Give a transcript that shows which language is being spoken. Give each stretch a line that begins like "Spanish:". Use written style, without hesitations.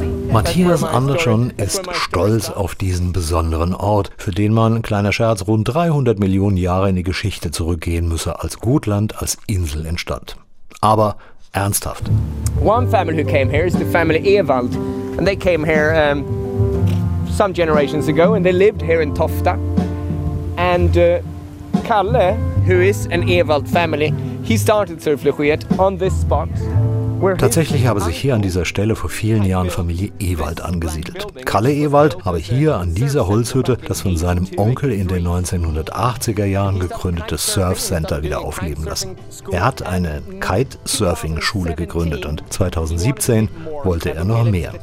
German: Matthias Andersson ist stolz auf diesen besonderen Ort, für den man, kleiner Scherz, rund 300 Millionen Jahre in die Geschichte zurückgehen müsse, als Gotland als Insel entstand. Aber ernsthaft.
English: One family who came here is the family Ewald. And they came here some generations ago and they lived here in Tofta. And Kalle, who is an Ewald family, he started Surf Lushiet on this spot.
German: Tatsächlich habe sich hier an dieser Stelle vor vielen Jahren Familie Ewald angesiedelt. Kalle Ewald habe hier an dieser Holzhütte das von seinem Onkel in den 1980er Jahren gegründete Surf Center wieder aufleben lassen. Er hat eine Kitesurfing-Schule gegründet und 2017 wollte er noch mehr.